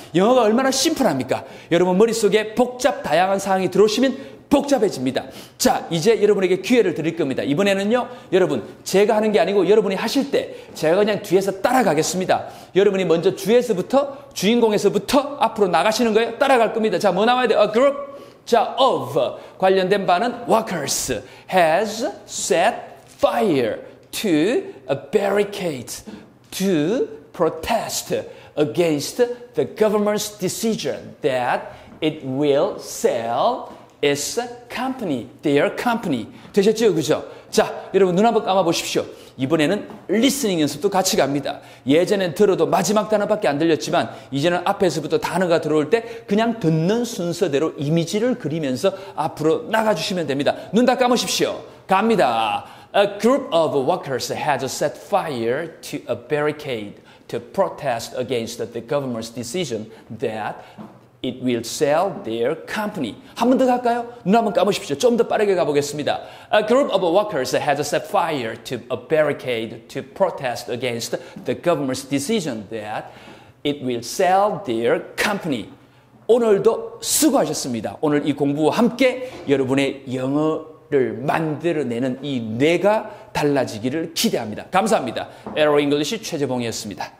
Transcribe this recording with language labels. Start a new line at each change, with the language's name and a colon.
Korean: 영어가 얼마나 심플합니까? 여러분 머릿속에 복잡 다양한 사항이 들어오시면 복잡해집니다. 자, 이제 여러분에게 기회를 드릴 겁니다. 이번에는요, 여러분 제가 하는 게 아니고 여러분이 하실 때 제가 그냥 뒤에서 따라가겠습니다. 여러분이 먼저 주에서부터, 주인공에서부터 앞으로 나가시는 거예요. 따라갈 겁니다. 자, 뭐 나와야 돼?
English: A group. 자, of
Korean: 관련된 바는
English: workers, has set fire to a barricade, to protest against the government's decision that it will sell is a company, their company.
Korean: 되셨죠? 그죠? 자, 여러분 눈 한번 감아보십시오. 이번에는 리스닝 연습도 같이 갑니다. 예전엔 들어도 마지막 단어밖에 안 들렸지만 이제는 앞에서부터 단어가 들어올 때 그냥 듣는 순서대로 이미지를 그리면서 앞으로 나가주시면 됩니다. 눈 다 감으십시오. 갑니다.
English: A group of workers has set fire to a barricade to protest against the government's decision that it will sell their company.
Korean: 한 번 더 갈까요? 눈 한번 감으십시오. 좀 더 빠르게 가보겠습니다.
English: A group of workers has set fire to a barricade to protest against the government's decision that it will sell their company.
Korean: 오늘도 수고하셨습니다. 오늘 이 공부와 함께 여러분의 영어를 만들어내는 이 뇌가 달라지기를 기대합니다. 감사합니다. Aero English 최재봉이었습니다.